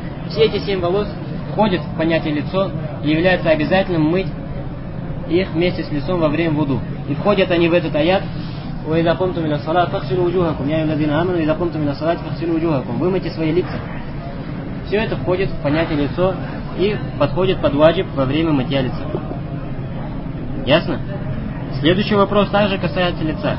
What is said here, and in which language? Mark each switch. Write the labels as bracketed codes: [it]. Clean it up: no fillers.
[ru] Все эти 7 волос входят в понятие лицо и является обязательным мыть их вместе с лицом во время вуду. И входят они в этот аят. [ar] وإذا قمتم من الصلاة فاغسلوا وجوهكم يا أيها الذين آمنوا إذا قمتم من الصلاة فاغسلوا وجوهكم [ru] вымойте свои лица. Все это входит в понятие лицо и подходит под ваджиб во время мытья лица. Ясно? Следующий вопрос также касается лица.